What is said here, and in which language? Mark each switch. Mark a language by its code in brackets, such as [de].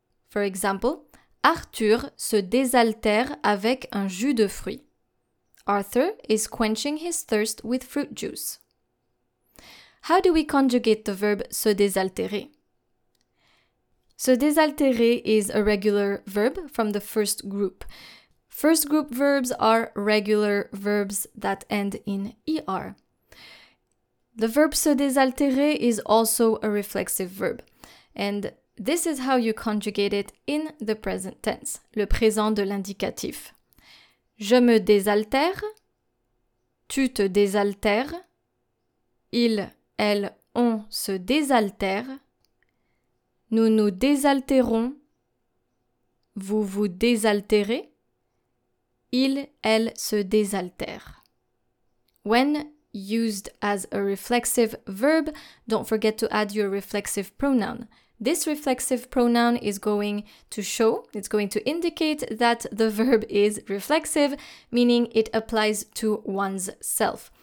[en] For example, [fr] Arthur se désaltère avec un jus de fruits. [en] Arthur is quenching his thirst with fruit juice. How do we conjugate the verb se désaltérer? Se désaltérer is a regular verb from the first group. First group verbs are regular verbs that end in ER. The verb se désaltérer is also a reflexive verb. And this is how you conjugate it in the present tense, [fr] le présent de l'indicatif. Je me désaltère. Tu te désaltères. Ils, elles, on se désaltère. Nous nous désaltérons, vous vous désaltérez, il, elle se désaltère. [en] When used as a reflexive verb, don't forget to add your reflexive pronoun. This reflexive pronoun is going to show, it's going to indicate that the verb is reflexive, meaning it applies to one's self.